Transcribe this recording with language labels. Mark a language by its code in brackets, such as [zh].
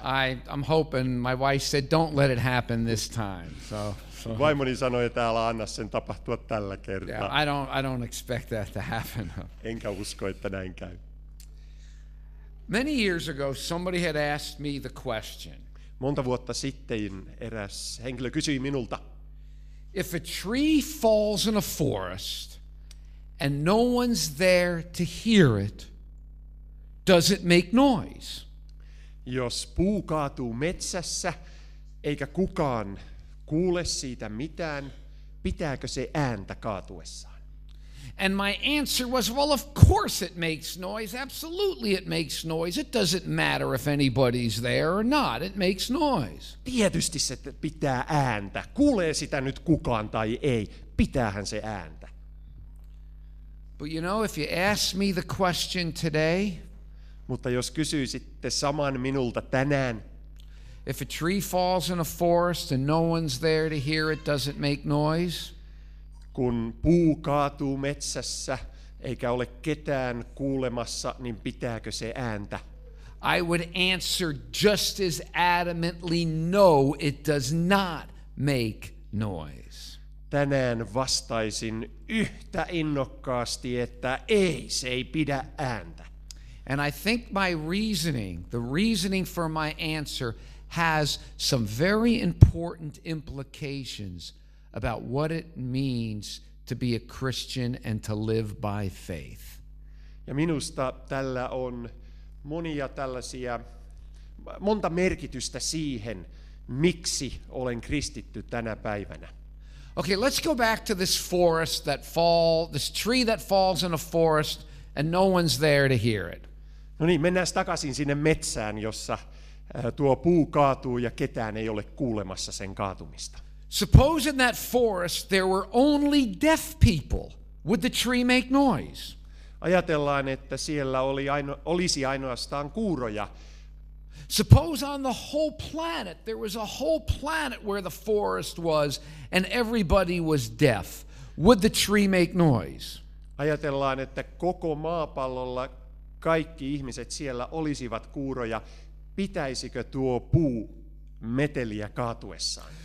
[en] I'm hoping my wife said don't let it happen this time. So. [fi] Vaimoni sanoi, että älä anna sen tapahtua tällä kertaa. [en] Yeah, I don't expect that to happen. [fi] Enkä usko, että näin käy. [en] Many years ago somebody had asked me the question. [fi] Monta vuotta sitten eräs henkilö kysyi minulta. [en] If a tree falls in a forest and no one's there to hear it, does it make noise? [fi] Jos puu kaatuu metsässä eikä kukaan kuule siitä mitään, pitääkö se ääntä kaatuessaan? [en] And my answer was, well, of course it makes noise. Absolutely it makes noise. It doesn't matter if anybody's there or not. It makes noise. [fi] Tietysti se pitää ääntä. Kuulee sitä nyt kukaan tai ei, pitäähän se ääntä. [en] But you know, if you ask me the question today, [fi] mutta jos kysyisitte saman minulta tänään, [en] if a tree falls in a forest and no one's there to hear it, does it make noise? [fi] Kun puu kaatuu metsässä eikä ole ketään kuulemassa, niin pitääkö se ääntä? [en] I would answer just as adamantly, no, it does not make noise. [fi] Tänään vastaisin yhtä innokkaasti, että ei, se ei pidä ääntä. [en] And I think my reasoning, the reasoning for my answer, has some very important implications about what it means to be a Christian and to live by faith. [fi] Ja minusta tällä on monia tällaisia, monta merkitystä siihen, miksi olen kristitty tänä päivänä. [en] Okay, let's go back to this forest that fall, this tree that falls in a forest and no one's there to hear it. [fi] No niin, mennään takaisin sinne metsään, jossa tuo puu kaatuu ja ketään ei ole kuulemassa sen kaatumista. [en] Suppose in that forest there were only deaf people. Would the tree make noise? [fi] Ajatellaan, että siellä olisi ainoastaan kuuroja. [en] Suppose on the whole planet there was a whole planet where the forest was and everybody was deaf. Would the tree make noise? [fi] Ajatellaan, että koko maapallolla kaikki ihmiset siellä olisivat kuuroja. Pitäisikö tuo puu meteliä kaatuessaan?